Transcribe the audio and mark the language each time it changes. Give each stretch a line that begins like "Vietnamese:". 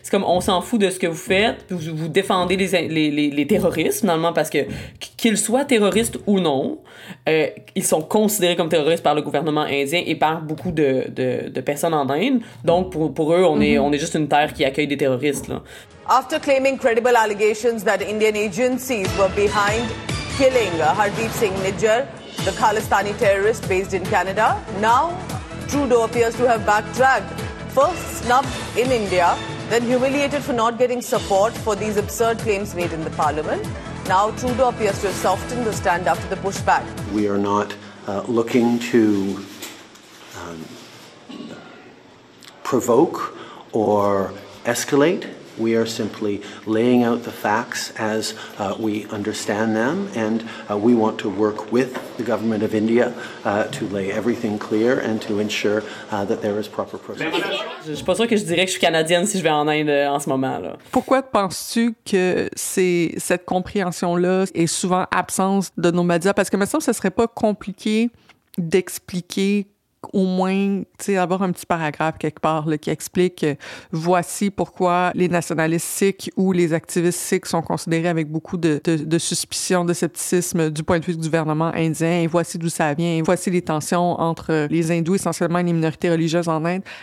French: C'est comme, on s'en fout de ce que vous faites, puis vous défendez les terroristes, finalement, parce que qu'ils soient terroristes ou non, ils sont considérés comme terroristes par le gouvernement indien et par beaucoup de personnes en Inde. Donc, pour eux, on est juste une terre qui accueille des terroristes, là.
English: After claiming credible allegations that Indian agencies were behind killing Hardeep Singh Nijjar, the Khalistani terrorist based in Canada, now Trudeau appears to have backtracked. First snubbed in India, then humiliated for not getting support for these absurd claims made in the parliament. Now Trudeau appears to have softened the stand after the pushback. We are not looking to provoke or escalate. We are simply laying out the facts as we understand them, and we want to work with the government of India to lay everything clear and to ensure that there is proper process.
French: Je suis pas sûre que je dirais que je suis canadienne si je vais en Inde en ce moment là. Pourquoi penses-tu que cette compréhension là est souvent absente de nos médias? Parce que me semble que ce serait pas compliqué d'expliquer. Au moins, tu sais, avoir un petit paragraphe quelque part là, qui explique voici pourquoi les nationalistes sikhs ou les activistes sikhs sont considérés avec beaucoup de suspicion, de scepticisme du point de vue du gouvernement indien, et voici d'où ça vient, et voici les tensions entre les hindous, essentiellement les minorités religieuses en Inde.